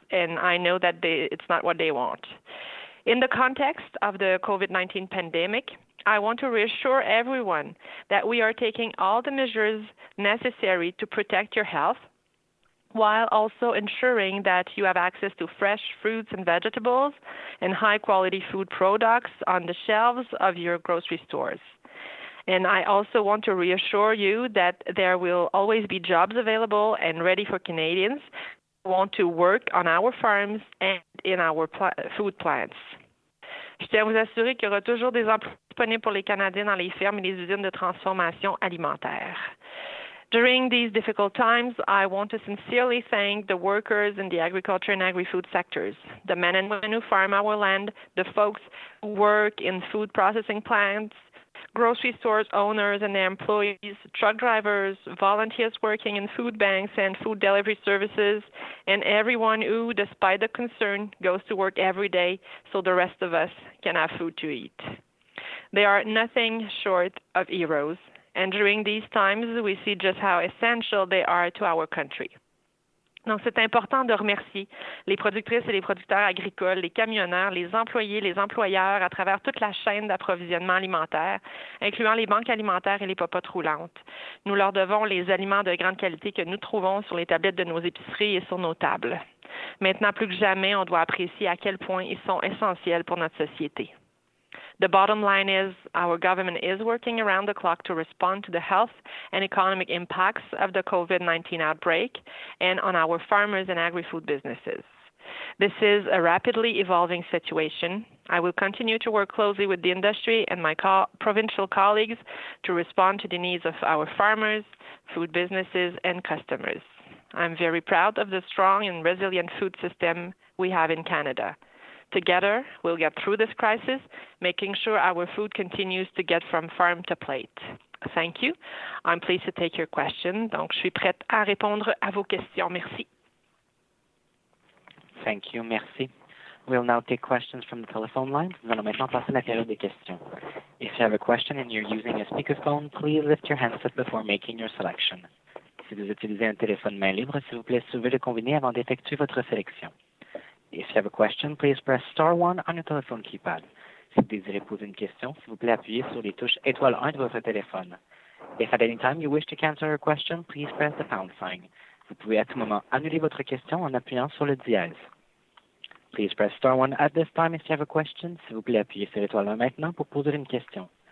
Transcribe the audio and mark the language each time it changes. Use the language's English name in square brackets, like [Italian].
[English] And I know that it's not what they want. In the context of the COVID-19 pandemic, I want to reassure everyone that we are taking all the measures necessary to protect your health, while also ensuring that you have access to fresh fruits and vegetables and high-quality food products on the shelves of your grocery stores. And I also want to reassure you that there will always be jobs available and ready for Canadians want to work on our farms and in our food plants. [French] Je tiens à vous assurer qu'il y aura toujours des emplois disponibles pour les Canadiens dans les fermes et les usines de transformation alimentaire. [English] During these difficult times, I want to sincerely thank the workers in the agriculture and agri-food sectors, the men and women who farm our land, the folks who work in food processing plants, grocery stores owners and their employees, truck drivers, volunteers working in food banks and food delivery services, and everyone who, despite the concern, goes to work every day so the rest of us can have food to eat. They are nothing short of heroes, and during these times, we see just how essential they are to our country. [French] Donc, c'est important de remercier les productrices et les producteurs agricoles, les camionneurs, les employés, les employeurs à travers toute la chaîne d'approvisionnement alimentaire, incluant les banques alimentaires et les popotes roulantes. Nous leur devons les aliments de grande qualité que nous trouvons sur les tablettes de nos épiceries et sur nos tables. Maintenant, plus que jamais, on doit apprécier à quel point ils sont essentiels pour notre société. [English] The bottom line is our government is working around the clock to respond to the health and economic impacts of the COVID-19 outbreak and on our farmers and agri-food businesses. This is a rapidly evolving situation. I will continue to work closely with the industry and my provincial colleagues to respond to the needs of our farmers, food businesses, and customers. I'm very proud of the strong and resilient food system we have in Canada. Together, we'll get through this crisis, making sure our food continues to get from farm to plate. Thank you. I'm pleased to take your question. [French] Donc, je suis prête à répondre à vos questions. Merci. [English] Thank you. [French] Merci. [English] We'll now take questions from the telephone line. [French] Nous allons maintenant passer à la période des questions. [English] If you have a question and you're using a speakerphone, please lift your handset before making your selection. [French] Si vous utilisez un téléphone main libre, s'il vous plaît, soulevez le combiné avant d'effectuer votre sélection. [English] If you have a question, please press star 1 on your telephone keypad. [French] Si vous désirez poser une question, s'il vous plaît, appuyez sur les touches étoile 1 de votre téléphone. [English] If at any time you wish to cancel your question, please press the pound sign. [French] Vous pouvez à tout moment annuler votre question en appuyant sur le dièse. [English] Please press star 1 at this time if you have a question. [French] S'il vous plaît, appuyez sur l'étoile 1 maintenant pour poser une question.